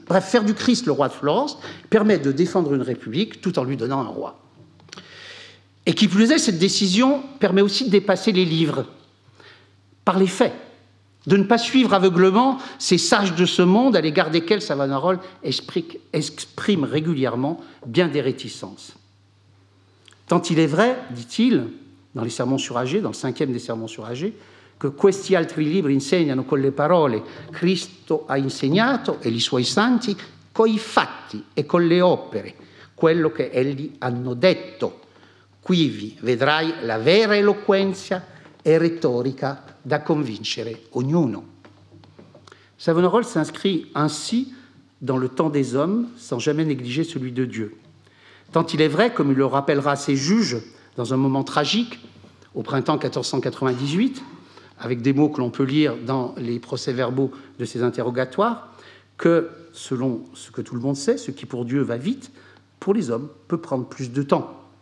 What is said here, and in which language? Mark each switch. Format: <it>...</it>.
<fr>Bref, faire du Christ le roi de Florence permet de défendre une république tout en lui donnant un roi. Et qui plus est, cette décision permet aussi de dépasser les livres, par les faits, de ne pas suivre aveuglément ces sages de ce monde à l'égard desquels Savonarole exprime régulièrement bien des réticences. Tant il est vrai, dit-il, dans les sermons sur Agé, dans le cinquième des sermons sur Agé, que</fr> <it>questi altri libri insegnano con le parole Cristo ha insegnato e gli suoi santi coi fatti e con le opere quello che egli hanno detto. Quivi vedrai la vera eloquenza e retorica da convincere ognuno.</it> <fr>Savonarole s'inscrit ainsi dans le temps des hommes sans jamais négliger celui de Dieu. Tant il est vrai, comme il le rappellera à ses juges dans un moment tragique, au printemps 1498, avec des mots que l'on peut lire dans les procès-verbaux de ses interrogatoires, que, selon ce que tout le monde sait, ce qui pour Dieu va vite, pour les hommes, peut prendre plus de temps.</fr>